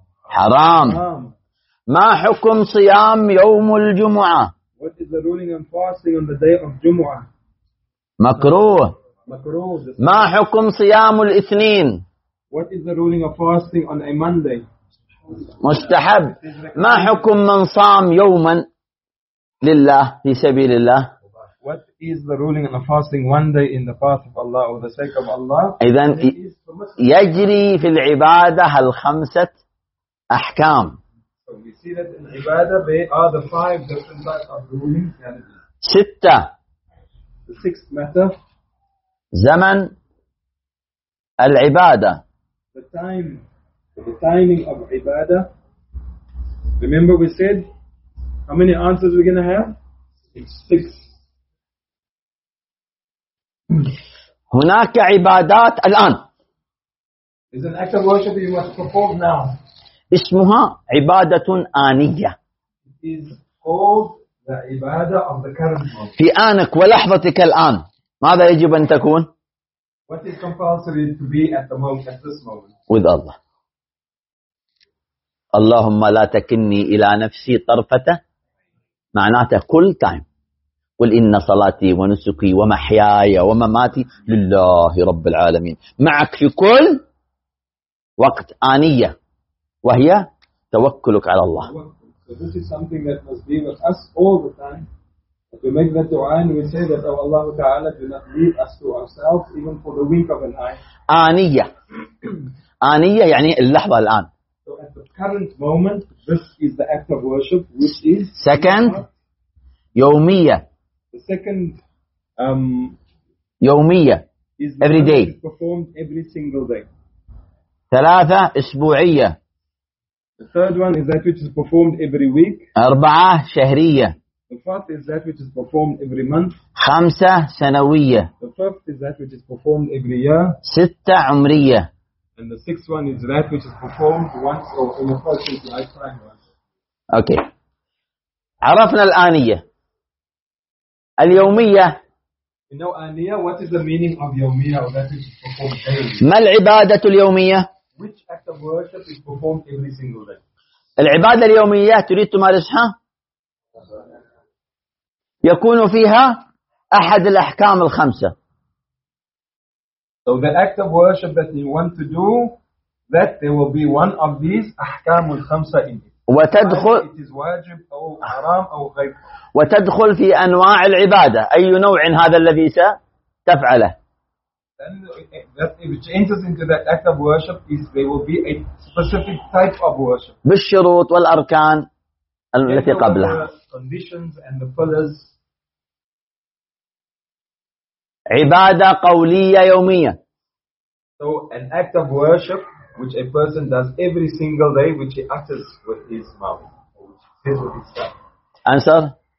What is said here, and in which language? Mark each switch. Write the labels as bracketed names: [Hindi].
[Arabic] حرام. ما حكم صيام يوم الجمعة؟ [English] What is the ruling on fasting on the day of Jumu'ah? [Arabic] مكروه. مكروه. ما حكم صيام الاثنين؟ [English] What is the ruling of fasting on a Monday? [Arabic] مستحب. ما حكم من صام يوما لله في سبيل الله؟ [English] What is the ruling on fasting one day in the path of Allah or the sake of Allah? [Arabic] إذن يجري في العبادة الخمسة أحكام. [English] So we see that in عبادة they are the five different types of ruling. [Arabic] ستة. [English] The sixth matter. [Arabic] زمن العبادة. [English] The time, the timing of عبادة. Remember we said how many answers we're going to have? It's six. [Arabic] هناك عبادات الآن. [English] Is an act of worship you must perform now. [Arabic] اسمها عبادة آنية. [English] It is called the عبادة of the current moment. [Arabic] في آنك ولحظتك الآن. ماذا يجب أن تكون؟ [English] What is compulsory to be at the moment, at this moment? With Allah. [Arabic] اللهم لا تكني إلى نفسي طرفة. معناته كل تايم. قل إن صلاتي ونسكي ومحياي ومماتي لله رب العالمين. معك في كل وقت آنية وهي توكلك على الله. [English] So this is something that must be with us all the time. If we make that dua and we say that oh Allah Ta'ala do not leave us to ourselves even for the wink of an eye. [Arabic] آنية. آنية يعني اللحظة الآن. [English] So at the current moment, this is the act of worship, which is second yawmiyya. The second yawmiyya is every day, performed every single day. [Arabic] ثلاثة أسبوعية. [English] The third one is that which is performed every week. [Arabic] أربعة شهرية. [English] The fourth is that which is performed every month. [Arabic] خمسة سنوية. [English] The fifth is that which is performed every year. [Arabic] ستة عمرية. [English] And the sixth one is that which is performed once or in a person's lifetime. Okay. [Arabic] عرفنا الآنية. اليومية. [English] You know, Aniyah, what is the meaning of Yawmiyah or that which is performed daily? [Arabic] ما العبادة اليومية? [English] Which act of worship is performed every single day? [Arabic] العبادة اليومية تريد تمارسها؟ يكون فيها أحد الأحكام الخمسة. [English] So the act of worship that you want to do, that there will be one of these أحكام الخمسة in it. [Arabic] وتدخل [English] it is [Arabic] واجب أو حرام أو غيره. وتدخل في أنواع العبادة. أي نوع هذا الذي ستفعله؟ [English] Then that which enters into that act of worship is there will be a specific type of worship. [Arabic] بالشروط والأركان التي قبلها. [English] The conditions and the pillars. [Arabic] عبادة قولية يومية. [English] So an act of worship which a person does every single day, which he utters with his mouth, or which he says with his tongue. Answer.